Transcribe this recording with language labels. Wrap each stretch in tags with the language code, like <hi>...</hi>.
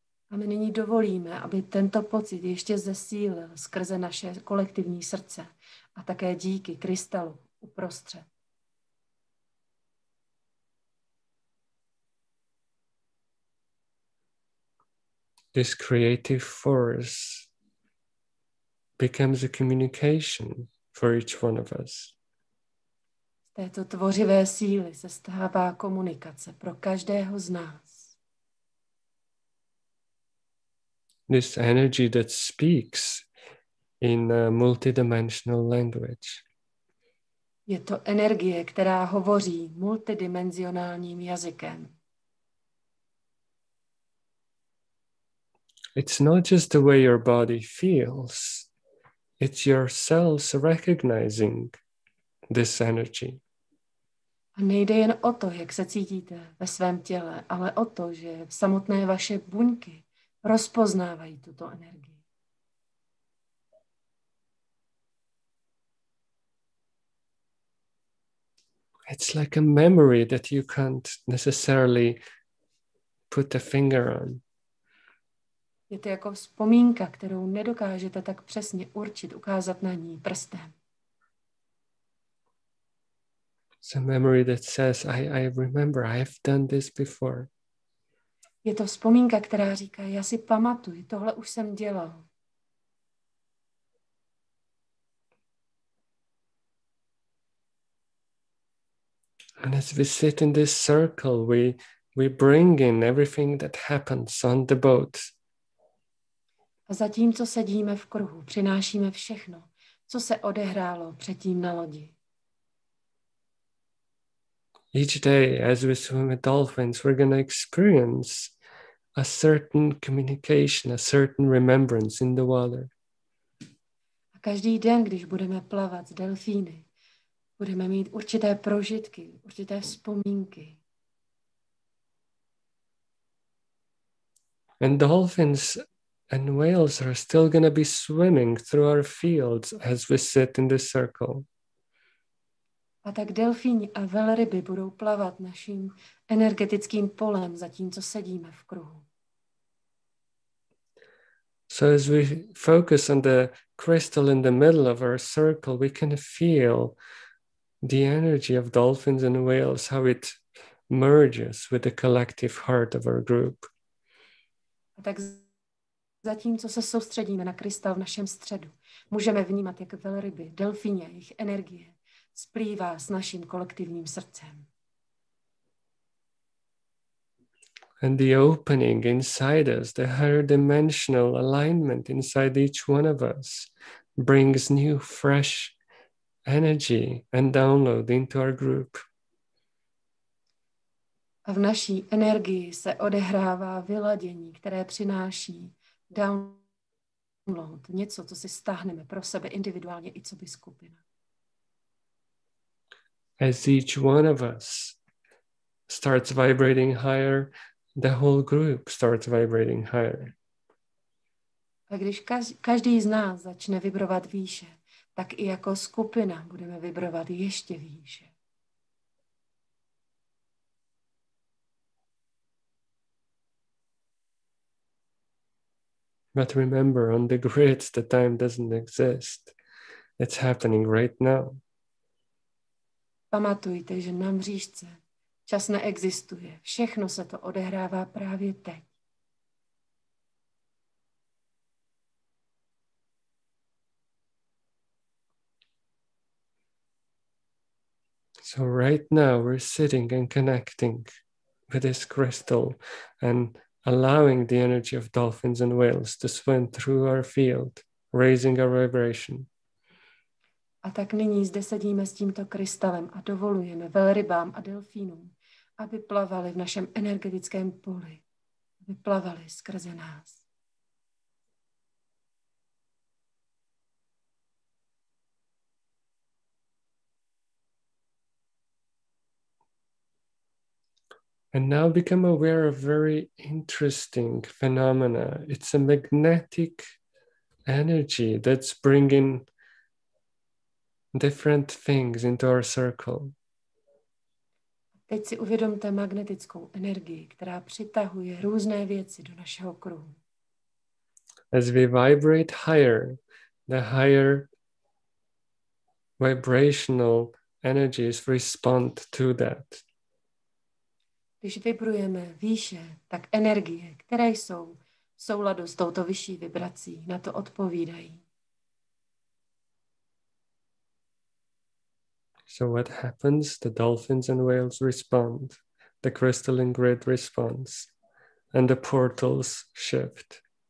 <cs>A my nyní dovolíme, aby tento pocit ještě zesílil skrze naše kolektivní srdce a také díky krystalu uprostřed.</cs> <en>This creative force becomes a communication for each one of us.</en> <cs>Této tvořivé síly se stává komunikace pro každého z nás.</cs> <en>This energy that speaks in a multidimensional language.</en> <cs>Je to energie, která hovoří multidimenzionálním jazykem.</cs> <en>It's not just the way your body feels, it's your cells recognizing this energy.</en> <cs>A nejde jen o to, jak se cítíte ve svém těle, ale o to, že samotné vaše buňky rozpoznávají tuto energii.</cs> <en>It's like a memory that you can't necessarily put a finger on.</en> <cs>Je to jako vzpomínka, kterou nedokážete tak přesně určit, ukázat na ní prstem.</cs> <en>It's a memory that says, I remember, I have done this before.</en> <cs>Je to vzpomínka, která říká, já si pamatuju, tohle už jsem dělal.</cs> <en>And as we sit in this circle, we bring in everything that happens on the boat.</en> <cs>A zatímco sedíme v kruhu, přinášíme všechno, co se odehrálo předtím na lodi.</cs> <en>Each day, as we swim with dolphins, we're going to experience a certain communication, a certain remembrance in the water.</en> <cs>A každý den, když budeme plavat s delfíny, budeme mít určité prožitky, určité vzpomínky.</cs> <en>And dolphins and whales are still going to be swimming through our fields as we sit in this circle.</en> <cs>A tak delfíni a velryby budou plavat naším energetickým polem, zatímco sedíme v kruhu.</cs> <en>So as we focus on the crystal in the middle of our circle, we can feel the energy of dolphins and whales, how it merges with the collective heart of our group.</en> <cs>A tak zatímco se soustředíme na krystal v našem středu, můžeme vnímat, jak velryby, delfíně, jejich energie splývá s naším kolektivním srdcem.</cs> <en>And the opening inside us, the higher dimensional alignment inside each one of us brings new, fresh energy and download into our group.</en> <cs>A v naší energii se odehrává vyladění, které přináší download, něco, co si stáhneme pro sebe individuálně i co by skupina.</cs> <en>As each one of us starts vibrating higher, the whole group starts vibrating higher.</en> <cs>A když každý z nás začne vibrovat výše, tak i jako skupina budeme vibrovat ještě výše.</cs> <en>But remember, on the grid, the time doesn't exist. It's happening right now.</en> <cs>Pamatujte, že na mřížce čas neexistuje. Všechno se to odehrává právě teď.</cs> <en>So right now we're sitting and connecting with this crystal and allowing the energy of dolphins and whales to swim through our field, raising our vibration.</en> <cs>A tak nyní zde sedíme s tímto krystalem a dovolujeme velrybám a delfínům, aby plavali v našem energetickém poli, aby plavali skrze nás.</cs> <en>And now become aware of very interesting phenomena. It's a magnetic energy that's bringing different things into our circle.</en> <cs>Teď si uvědomte magnetickou energii, která přitahuje různé věci do našeho kruhu.</cs> <en>As we vibrate higher, the higher vibrational energies respond to that.</en> <cs>Když vibrujeme výše, tak energie, které jsou v souladu s touto vyšší vibrací, na to odpovídají.</cs> <en>So what happens? The dolphins and whales respond, the crystalline grid responds, and the portals shift.</en>